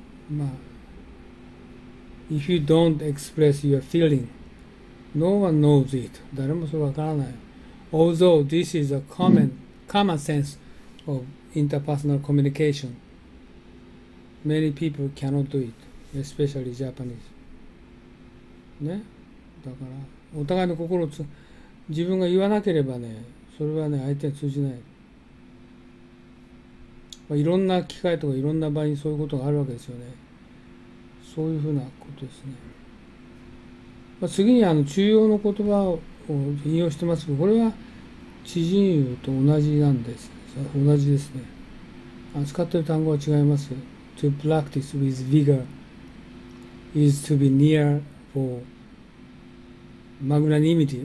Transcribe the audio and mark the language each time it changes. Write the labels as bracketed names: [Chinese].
[English] まあ、If you don't express your feeling, no one knows it. [Japanese] 誰もそれ分からない。 [English] Although this is a common sense of interpersonal communication, many people cannot do it, especially Japanese. [Japanese] ね、だからお互いの心を自分が言わなければね、それはね相手に通じない。まあ、いろんな機会とかいろんな場合にそういうことがあるわけですよね。そういうふうなことですね。まあ、次に中庸の言葉を引用してますけど、これは知人友と同じなんです。同じですね。使っている単語は違います。 [English] To practice with vigor is to be near for magnanimity.